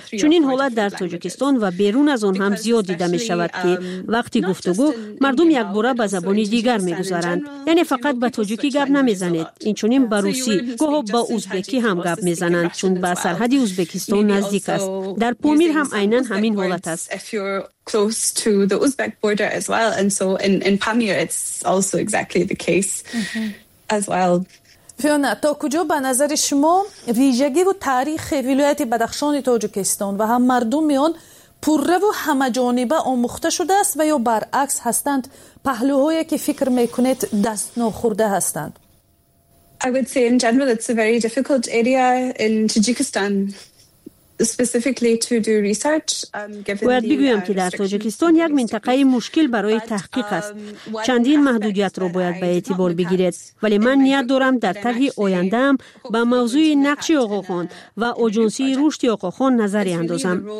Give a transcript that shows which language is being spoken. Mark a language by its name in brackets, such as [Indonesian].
[Persian] چون این حالت در تاجیکستان و بیرون از آن هم زیاد دیده می شود که وقتی گفتگو مردم یک بار به زبان دیگر میگذرند. یعنی فقط به تاجیکی گپ نمیزنند، این چنین به روسی، گاهی با ازبکی هم گپ میزنند چون با سرحد ازبکستان نزدیک است. در پامیر هم اینن همین حالت است. [English] If you're close to the Uzbek border as well, and so in Pamir it's also exactly the case as well. [Persian] فیونا، تا کجا به نظر شما ویژگی و تاریخ ولایت بدخشان تاجیکستان و هم مردم آن پوره و همه جانبه آموخته شده است و یا برعکس هستند پهلوهایی که فکر میکنید دست نخورده هستند؟ [English] I would say in general it's a very difficult area in Tajikistan. [Persian] باید بگویم که در تاجیکستان یک منطقه مشکل برای تحقیق است. چندین محدودیت را باید به اعتبار بگیرید. ولی من نیت دارم در طرح آینده‌ام به موضوع نقش آقاخان و اجنسی رشد آقاخان نظری اندازم.